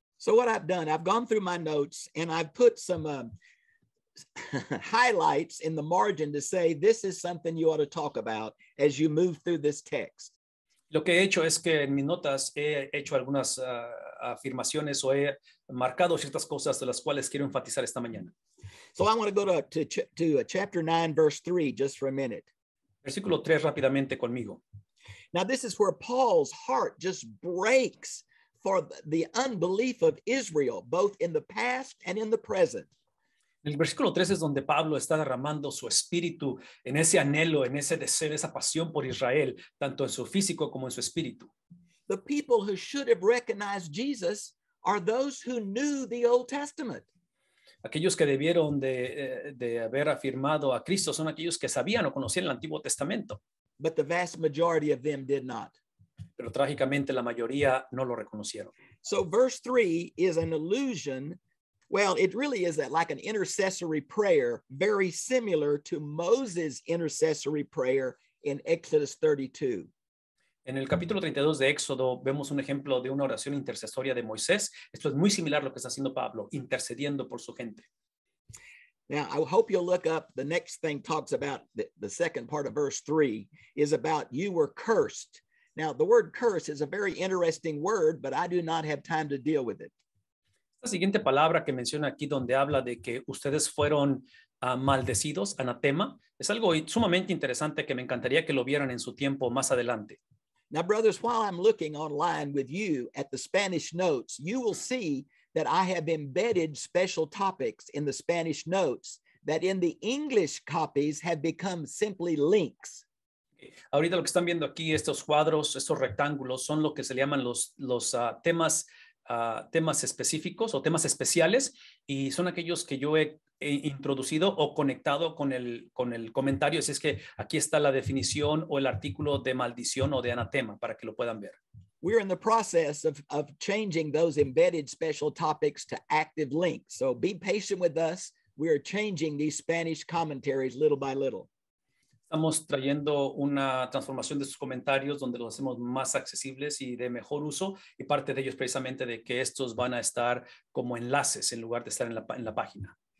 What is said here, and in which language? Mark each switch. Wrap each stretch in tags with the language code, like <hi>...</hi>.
<en>So what I've done, I've gone through my notes and I've put some highlights in the margin to say this is something you ought to talk about as you move through this text.</en> <es>Lo que he hecho es que en mis notas he hecho algunas afirmaciones o he marcado ciertas cosas de las cuales quiero enfatizar esta mañana.</es> <en>So I want to go to chapter 9, verse 3, just for a minute.</en> <es>Versículo 3, rápidamente conmigo.</es> <en>Now this is where Paul's heart just breaks for the unbelief of Israel, both in the past and in the present.</en> <es>El versículo 3 es donde Pablo está derramando su espíritu en ese anhelo, en ese deseo, esa pasión por Israel, tanto en su físico como en su espíritu.</es> <en>The people who should have recognized Jesus are those who knew the Old Testament.</en> <es>Aquellos que debieron de haber afirmado a Cristo son aquellos que sabían o conocían el Antiguo Testamento.</es> <en>But the vast majority of them did not.</en> <es>Pero trágicamente la mayoría no lo reconocieron.</es> <en>So verse 3 is an allusion. Well, it really is that like an intercessory prayer, very similar to Moses' intercessory prayer in Exodus 32.</en> <es>En el capítulo 32 de Éxodo vemos un ejemplo de una oración intercesoria de Moisés. Esto es muy similar a lo que está haciendo Pablo, intercediendo por su gente.</es> <en>Now, I hope you'll look up the next thing talks about the second part of verse 3 is about you were cursed. Now, the word curse is a very interesting word, but I do not have time to deal with it.</en> <es>La siguiente palabra que menciona aquí donde habla de que ustedes fueron maldecidos, anatema, es algo sumamente interesante que me encantaría que lo vieran en su tiempo más adelante.</es> <en>Now, brothers, while I'm looking online with you at the Spanish notes, you will see that I have embedded special topics in the Spanish notes that in the English copies have become simply links.</en> <es>Ahorita lo que están viendo aquí, estos cuadros, estos rectángulos, son lo que se le llaman los temas, temas específicos o temas especiales, y son aquellos que yo he introducido o conectado con el comentario. Así es que aquí está la definición o el artículo de maldición o de anatema para que lo puedan ver.</es> <en>We're in the process of changing those embedded special topics to active links. So be patient with us. We are changing these Spanish commentaries little by little.</en> <es>Estamos trayendo una transformación de sus comentarios donde los hacemos más accesibles y de mejor uso. Y parte de ellos precisamente de que estos van a estar como enlaces en lugar de estar en la página.</es>